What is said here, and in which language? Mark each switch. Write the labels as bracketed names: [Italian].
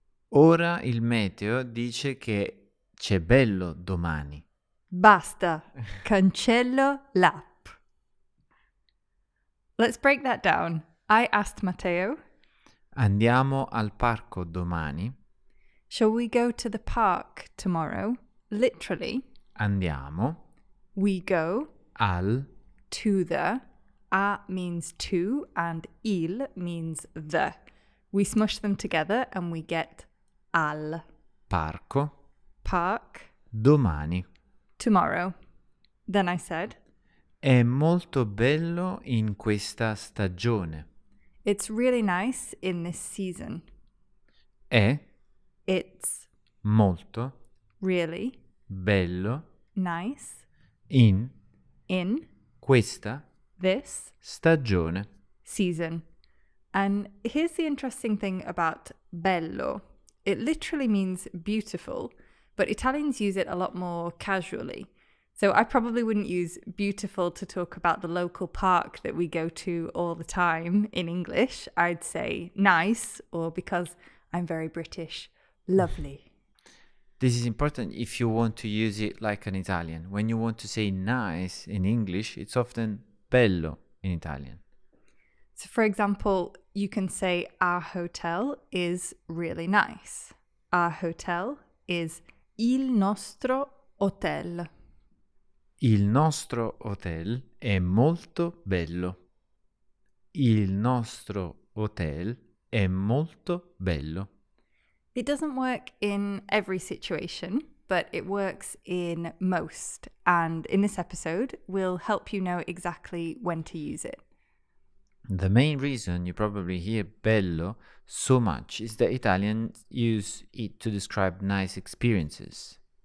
[Italian] Ora il meteo dice che c'è bello domani. Basta. Cancello l'app. [English] Let's break that down. I asked Matteo. [Italian] Andiamo al parco domani. [English] Shall we go to the park tomorrow? Literally. [Italian] Andiamo. [English] We go. [Italian] Al. [English] To the. A means to and il means the. We smush them together and we get al. [Italian] Parco. [English] Park. [Italian] Domani. [English] Tomorrow. Then I said. [Italian] È molto bello in questa stagione. [English] It's really nice in this season. [Italian] È. [English] It's. [Italian] Molto. [English] Really. [Italian] Bello. [English] Nice. [Italian] In questa [English] this [Italian] stagione [English] season. And here's the interesting thing about bello. It literally means beautiful, but Italians use it a lot more casually. So I probably wouldn't use beautiful to talk about the local park that we go to all the time in English. I'd say nice, or because I'm very British, lovely. This is important if you want to use it like an Italian. When you want to say nice in English, it's often bello in Italian. So, for example, you can say our hotel is really nice. Our hotel is [Italian] il nostro hotel. Il nostro hotel è molto bello. Il nostro hotel è molto bello. [English] It doesn't work in every situation, but it works in most. And in this episode, we'll help you know exactly when to use it. The main reason you probably hear bello so much is that Italians use it to describe nice experiences.